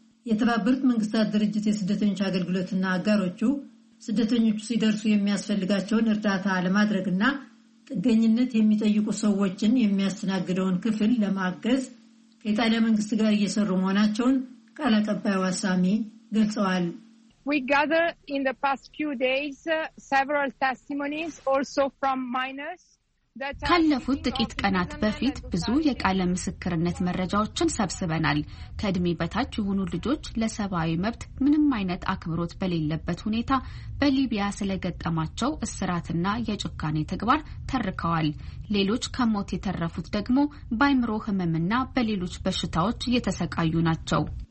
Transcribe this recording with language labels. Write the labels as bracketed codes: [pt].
[am] የተባበሩት መንግስታት ድርጅት የስደተኞች አገልግሎትና አጋሮቹ ስደተኞቹ ሲደርሱ የሚያስፈልጋቸውን እርዳታ ለማድረግና ጥገኝነት የሚጠይቁ ሰዎችን የሚያስተናግደውን ክፍል ለማገዝ ከኢጣሊያ መንግስት ጋር እየሰሩ መሆናቸውን ቃል አቀባይ ዋሳሚ ገልጸዋል። [en] We gather in the past few days several testimonies also from minors. [am] ካለፉት ጥቂት ቀናት በፊት ብዙ የቃለ ምስክርነት መረጃዎችን ሰብስበናል። ከእድሜ በታች የሆኑ ልጆች ለሰብአዊ መብት ምንም አይነት አክብሮት በሌለበት ሁኔታ በሊቢያ ስለገጠማቸው እስራትና የጭካኔ ተግባር ተርከዋል። ሌሎች ከሞት የተረፉት ደግሞ በአይምሮ ህመምና በሌሎች በሽታዎች እየተሰቃዩ ናቸው።